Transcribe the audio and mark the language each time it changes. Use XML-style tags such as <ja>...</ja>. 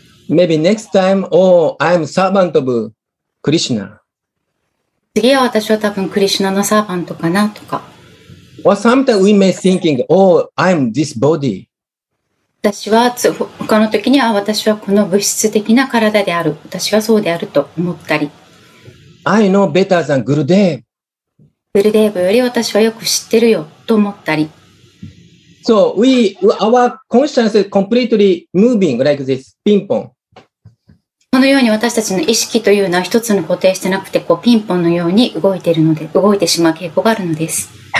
<en>Maybe next time, oh, I'm servant of Krishna.</en> <ja>次は私は多分 Krishna のサーバントかなとか。</ja> <en>Or sometimes we may thinking, oh, I'm this body.</en> <ja>私は他の時には私はこの物質的な体である。私はそうであると思ったり。</ja> <en>I know better than Gurudev.</en> <ja>グルデーブより私はよく知ってるよと思ったり。</ja> <en>So we, our consciousness is completely moving like this, ping pong.</en> <ja>このように私たちの意識というのは一つの固定してなくてこうピンポンのように動いているので動いてしまう傾向があるのです。</ja>